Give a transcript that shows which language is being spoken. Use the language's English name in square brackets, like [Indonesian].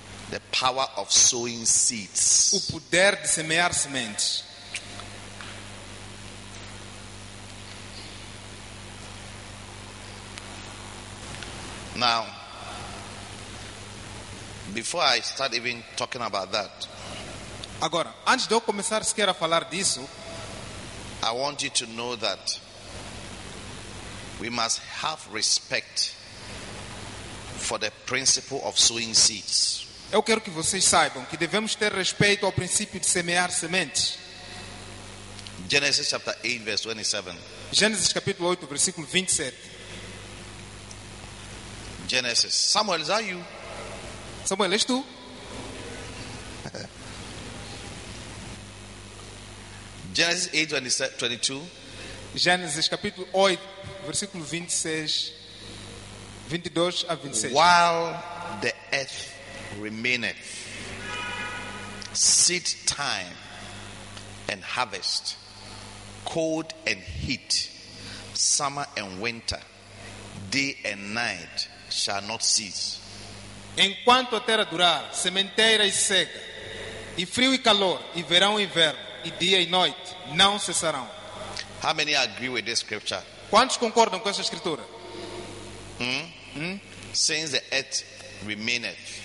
[English] The power of sowing seeds. [Portuguese] O poder de semear sementes. [English] Now, before I start even talking about that. [Portuguese] Agora, antes de eu começar sequer a falar disso, [English] I want you to know that we must have respect for the principle of sowing seeds. [Portuguese] Eu quero que vocês saibam que devemos ter respeito ao princípio de semear sementes. [English] Genesis chapter 8 verse 27. [Portuguese] Gênesis capítulo 8 versículo 27. [English] Genesis. Samuel, is that you? [Portuguese] Samuel, és tu? [English] Genesis 8, 22. [Portuguese] Genesis capítulo 8, versículo 26, 22 a 26. [English] While the earth remaineth, seed time and harvest, cold and heat, summer and winter, day and night shall not cease. [Portuguese] Enquanto a terra durar, sementeira e seca, e frio e calor, e verão e inverno, e dia e noite não cessarão. [English] How many agree with this scripture? [Portuguese] Quantos concordam com esta escritura? [English] Since the earth remaineth.